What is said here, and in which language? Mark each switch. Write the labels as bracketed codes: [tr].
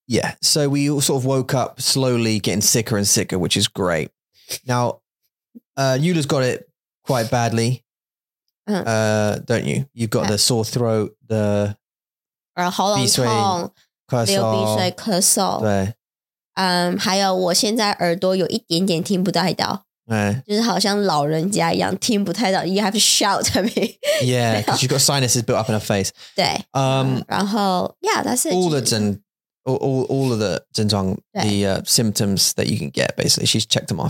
[en] Yeah, so we all sort of woke up slowly getting sicker and sicker, which is great. Now, Yula's got it quite badly, don't you? You've got the sore throat, the... [zh] 然后喉咙痛，流鼻水，咳嗽。对，还有我现在耳朵有一点点听不太到，哎，就是好像老人家一样听不太到。 [en] You have to shout at me. Yeah, because you've got sinuses built up in her face. [zh] 对，然后 [en] ，Yeah, that's it. All of the [zh] 症状 [en] the symptoms that you can get, basically, she's checked them off.